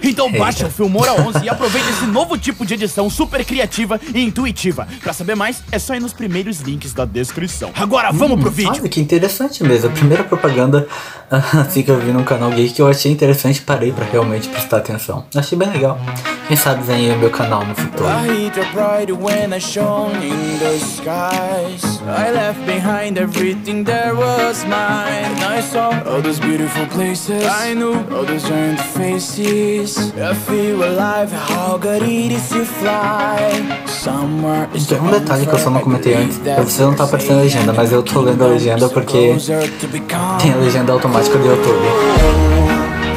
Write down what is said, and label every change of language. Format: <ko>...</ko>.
<pt>Então baixa o Filmora 11 e aproveita esse novo tipo de edição super criativa e intuitiva. Pra saber mais, é só ir nos primeiros links da descrição. Agora, vamos pro vídeo! Olha, que interessante mesmo. A primeira propaganda assim que eu vi num canal geek que eu achei interessante, parei pra realmente prestar atenção. Achei bem legal. Quem sabe vem o meu canal no futuro.</pt> <en>I hit your pride when I shone in the skies. I left behind everything there was mine. I saw all those beautiful places. I knew all those giant faces. I feel alive, how good it is to fly. Somewhere is</en> <pt>um detalhe que eu só não comentei antes. Pra você não tá aparecendo a legenda, mas eu tô lendo a legenda porque tem a legenda automática do YouTube.</pt>